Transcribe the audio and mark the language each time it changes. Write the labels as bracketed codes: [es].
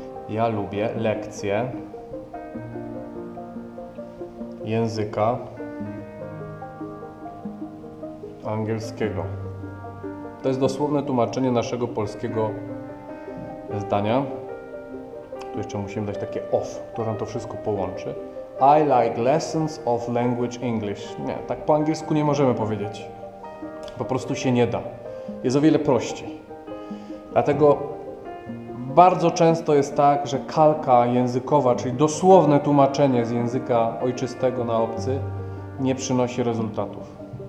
[pl] Ja lubię lekcje języka angielskiego. To jest dosłowne tłumaczenie naszego polskiego zdania. Tu jeszcze musimy dać takie of, które nam to wszystko połączy. [en] I like lessons of language English. [pl] Nie, tak po angielsku nie możemy powiedzieć. Po prostu się nie da. Jest o wiele prościej. Dlatego bardzo często jest tak, że kalka językowa, czyli dosłowne tłumaczenie z języka ojczystego na obcy, nie przynosi rezultatów.